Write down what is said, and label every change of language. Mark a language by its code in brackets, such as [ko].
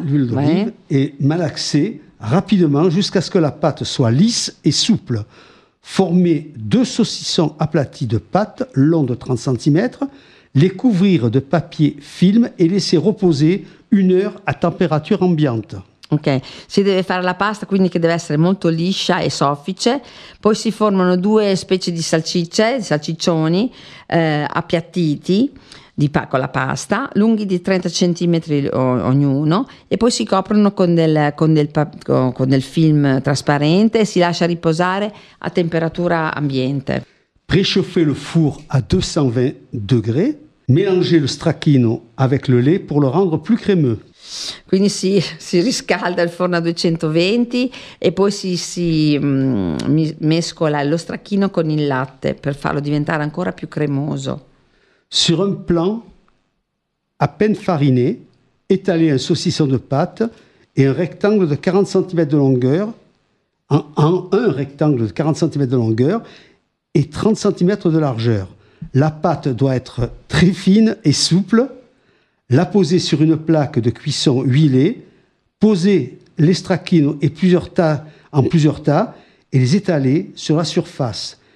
[fr] L'huile d'oliva e malaxer rapidement jusqu'à ce que la pâte soit lisse et souple. former deux saucissons aplatis de pâte, longs de 30 cm, les couvrir de papier film et laisser reposer une heure à température ambiante. [it] Ok, si deve fare la pasta, quindi che deve essere molto liscia e soffice, poi si formano due specie di salsicce, salsiccioni appiattiti con la pasta, lunghi di 30 cm ognuno, e poi si coprono con del film trasparente e si lascia riposare a temperatura ambiente. [fr] Préchauffer le four à 220 degrés, mélanger le stracchino avec le lait pour le rendre plus crémeux. [it] Quindi si riscalda il forno a 220 e poi si mescola lo stracchino con il latte per farlo diventare ancora più cremoso. [fr] Sur un plan à peine fariné, étaler un saucisson de pâte et un rectangle de 40 cm de longueur, un rectangle de 40 cm de longueur et 30 cm de largeur. La pâte doit être très fine et souple. La poser sur une plaque de cuisson huilée, poser les stracchino en plusieurs tas et les étaler sur la surface.